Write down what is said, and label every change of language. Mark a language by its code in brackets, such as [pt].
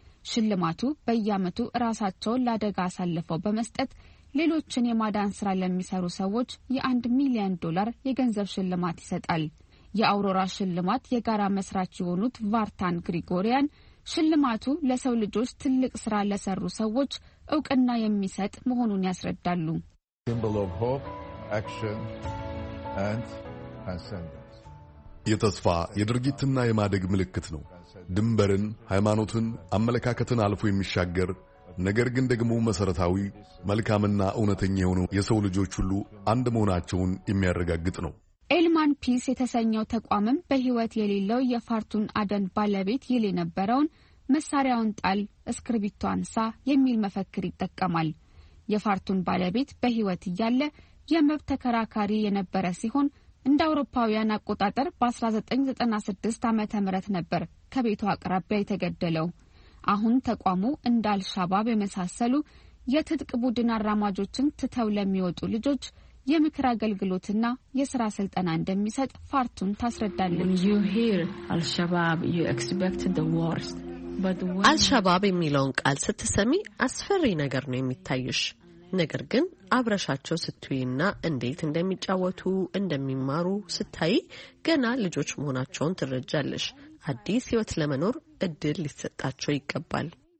[am] ሽልማቱ በየአመቱ ራሳቸውን ለአደጋ አሳልፈው በመስጠት ሌሎችን የማዳን ስራ ለሚሰሩ ሰዎች የ1 ሚሊዮን ዶላር የገንዘብ ሽልማት ይሰጣል። የአውሮራ ሽልማት የጋራ መስራች የሆኑት ቫርታን ግሪጎሪያን ሽልማቱ ለሰው ልጆች ትልቅ ስራ ለሰሩ ሰዎች እውቅና የሚሰጥ መሆኑን ያስረዳሉ። [en] Symbol of hope, action, and transcendence. [am] የተስፋ የድርጊትና የማደግ ምልክት ነው። ድንበርን፣ ሃይማኖትን፣ አመለካከትን አልፎ የሚሻገር ነገር ግን ደግሞ መሰረታዊ መልካምና እውነተኛ የሆነ የሰው ልጆች ሁሉ አንድ መሆናቸውን የሚያረጋግጥ ነው። ኤልማን ፒስ የተሰኘው ተቋምም በህይወት የሌለው የፋርቱን አደን ባለቤት ይሌ ነበረውን መሳሪያውን ጣል፣ እስክርቢቶ አንሳ የሚል መፈክር ይጠቀማል። የፋርቱን ባለቤት በህይወት ያለ የመብት ተከራካሪ የነበረ ሲሆን እንደ አውሮፓውያን አቆጣጠር በ1996 ዓመተ ምህረት ነበር ከቤቱ አቅራቢያ የተገደለው። አሁን ተቋሙ እንደ አልሻባብ የመሳሰሉ የትጥቅ ቡድን አራማጆችን ትተው ለሚወጡ ልጆች የምክር አገልግሎትና የስራ ስልጠና እንደሚሰጥ ፋርቱን ታስረዳለች። [en] You hear Al-Shabaab, you expect the worst. [am] አልሻባብ የሚለውን ቃል ስትሰሚ አስፈሪ ነገር ነው የሚታይሽ። ነገር ግን አብረሻቸው ስትይና እንዴት እንደሚጫወቱ እንደሚማሩ ስታይ ገና ልጆች መሆናቸውን ትረጃለሽ። አዲስ ህይወት ለመኖር እድል ሊሰጣቸው ይገባል።